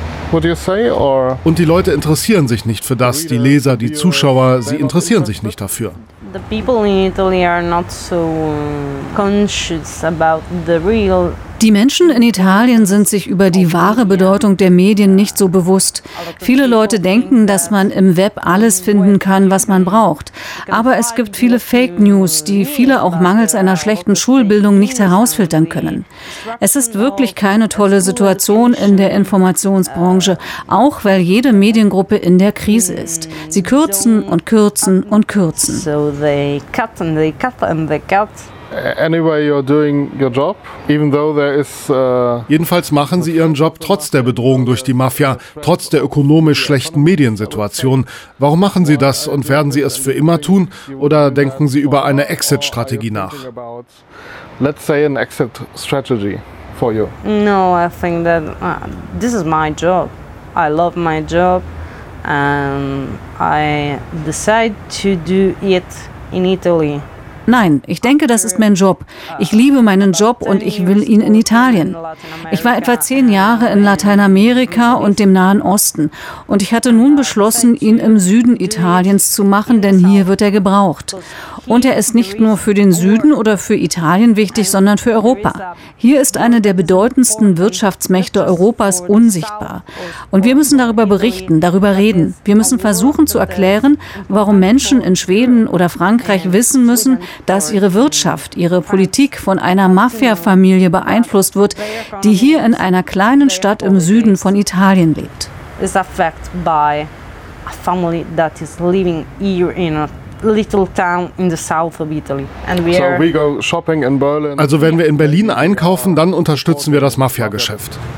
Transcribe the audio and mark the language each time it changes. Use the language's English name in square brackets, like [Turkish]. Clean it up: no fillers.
[German] Und die Leute interessieren sich nicht für das. Die Leser, die Zuschauer, sie interessieren sich nicht dafür. [English] The people in Italy are not so conscious about the real. [German] Die Menschen in Italien sind sich über die wahre Bedeutung der Medien nicht so bewusst. Viele Leute denken, dass man im Web alles finden kann, was man braucht. Aber es gibt viele Fake News, die viele auch mangels einer schlechten Schulbildung nicht herausfiltern können. Es ist wirklich keine tolle Situation in der Informationsbranche, auch weil jede Mediengruppe in der Krise ist. Sie kürzen und kürzen und kürzen. [English] So they cut and they cut and they cut. Anyway, you're doing your job, even though there is. [German] Jedenfalls machen sie ihren Job trotz der Bedrohung durch die Mafia, trotz der ökonomisch schlechten Mediensituation. Warum machen sie das und werden sie es für immer tun? Oder denken sie über eine Exit-Strategie nach? [English] Let's say an exit strategy for you. No, I think that this is my job. I love my job, and I decide to do it in Italy. [German] Nein, ich denke, das ist mein Job. Ich liebe meinen Job und ich will ihn in Italien. Ich war etwa 10 Jahre in Lateinamerika und dem Nahen Osten. Und ich hatte nun beschlossen, ihn im Süden Italiens zu machen, denn hier wird er gebraucht. Und er ist nicht nur für den Süden oder für Italien wichtig, sondern für Europa. Hier ist eine der bedeutendsten Wirtschaftsmächte Europas unsichtbar. Und wir müssen darüber berichten, darüber reden. Wir müssen versuchen zu erklären, warum Menschen in Schweden oder Frankreich wissen müssen, dass ihre Wirtschaft, ihre Politik von einer Mafia-Familie beeinflusst wird, die hier in einer kleinen Stadt im Süden von Italien lebt. [English] Is affected by a family that is living here in a little town in the south of Italy. And we are. So we go shopping in Berlin. [German] Also wenn wir in Berlin einkaufen, dann unterstützen wir das Mafia-Geschäft.